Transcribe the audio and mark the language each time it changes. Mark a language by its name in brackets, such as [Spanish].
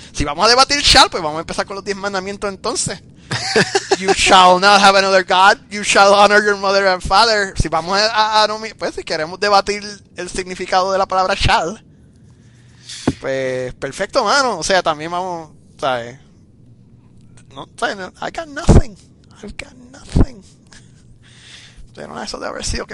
[Spanish] Si vamos a debatir shall, pues vamos a empezar con los 10 mandamientos entonces. [English] You shall not have another god. You shall honor your mother and father. [Spanish] Si vamos a nominar, pues si queremos debatir el significado de la palabra shall, pues perfecto, mano. O sea, también vamos, ¿sabes? No, ¿sabes? [English] No, I got nothing. I've got nothing. Pero no, eso debe haber sido que